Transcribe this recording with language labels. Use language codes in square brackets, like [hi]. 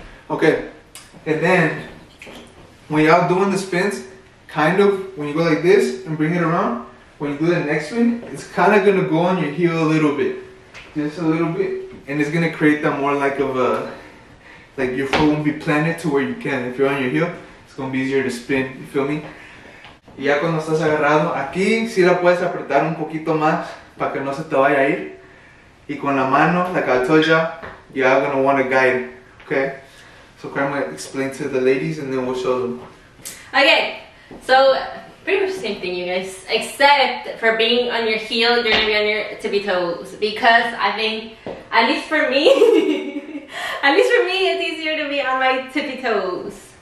[en] Okay, and then when y'all doing the spins, kind of when you go like this and bring it around, when you do the next one, it's kind of gonna go on your heel a little bit, just a little bit, and it's gonna create that more like of a, like your foot won't be planted to where you can. If you're on your heel, it's gonna be easier to spin, you feel me? [es] Y ya cuando estás agarrado, aquí sí la puedes apretar un poquito más. Para que no se te vaya a ir. Y con la mano, [en] like I told y'all, you're gonna want to guide, okay? So Korayma, explain to the ladies and then we'll show them. Okay, so pretty much the same thing, you guys. Except for being on your heel, you're gonna be on your tippy toes. Because I think, at least for me, at least for me, it's easier to be on my tippy toes.